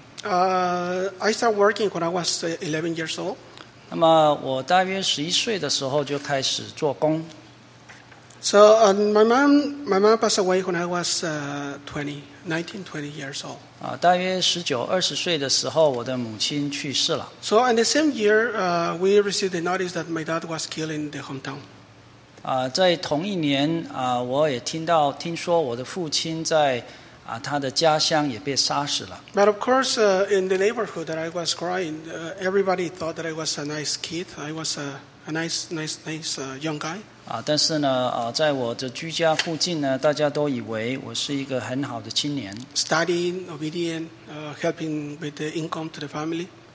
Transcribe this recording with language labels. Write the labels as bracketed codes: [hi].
[en] I started working when I was 11 years old. [zh] 那么我大约11岁的时候就开始做工。 [en] So my mom passed away when I was 19, 20 years old. [zh] 大约19、20岁的时候，我的母亲去世了。 [en] So in the same year, we received the notice that my dad was killed in the hometown. [zh] 在同一年，我也听到，听说我的父亲在他的家乡也被杀死了。 [en] But of course, in the neighborhood that I was growing, everybody thought that I was a nice kid. I was a nice young guy. [zh] 但是呢，在我的居家附近呢，大家都以为我是一个很好的青年。 [en] Studying, obedient, helping with the income to the family.